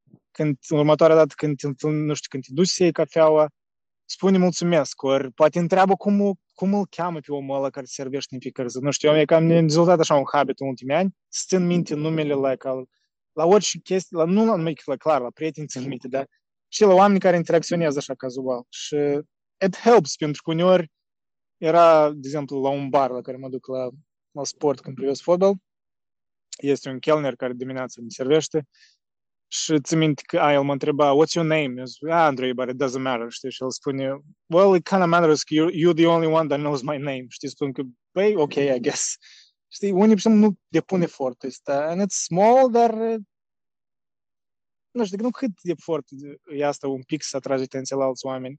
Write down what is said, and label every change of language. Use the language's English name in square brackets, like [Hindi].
[Romanian] Când, în următoarea dată, când te duci să iei cafeaua, spune mulțumesc, ori poate întreabă cum îl cheamă pe omul ăla care servește în fiecare zi. Nu știu, eu am dezvoltat așa un habit în ultimii ani, să țin minte numele la orice chestie, la, nu la numai, clar, la prieteni țin minte, dar și la oameni care interacționează așa cazual. Și [English] it helps, [Romanian] pentru că uneori era, de exemplu, la un bar la care mă duc la sport când privesc fotbal, este un kelner care dimineața îmi servește și țin minte că el mă întreba [English] what's your name? [Romanian] Eu zic, [English] Andrei, but it doesn't matter, [Romanian] știi? Și el spune, [English] well, it kind of matters [Romanian] că [English] you're the only one that knows my name. [Romanian] Știi, spun că, băi, ok, [English] I guess. [Romanian] Știi, unii persoane nu depun efortul ăsta. [English] And it's small, [Romanian] dar nu știu, nu cât de efort e asta un pic să atrage atenția la alți oameni.